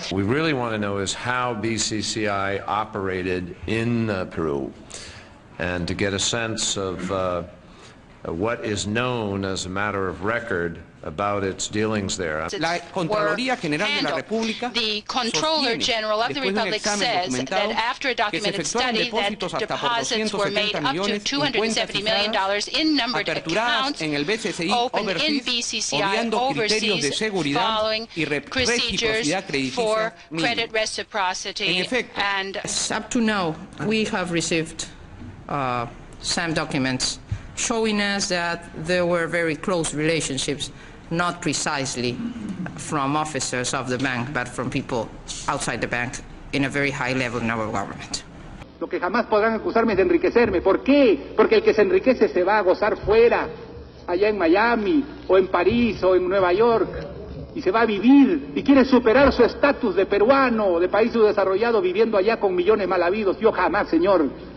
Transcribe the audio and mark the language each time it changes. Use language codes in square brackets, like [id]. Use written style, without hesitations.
[en] We really want to know is how BCCI operated in Peru and to get a sense of what is known as a matter of record about its dealings there. [es] La Contraloría General de la República sostiene, después de un examen documentado, que se efectuaron depósitos hasta por 270 millones en cuentas cifradas, aperturadas en el BCCI Overseas, obviando criterios de seguridad y reciprocidad crediticia. En efecto, [en] up to now, we have received some documents showing us that there were very close relationships, not precisely from officers of the bank, but from people outside the bank in a very high level in our government. [es] Lo que jamás podrán acusarme es de enriquecerme. ¿Por qué? Porque el que se enriquece se va a gozar fuera, allá en Miami, o en París, o en Nueva York, y se va a vivir, y quiere superar su estatus de peruano, de país subdesarrollado, viviendo allá con millones mal habidos. Yo jamás, señor.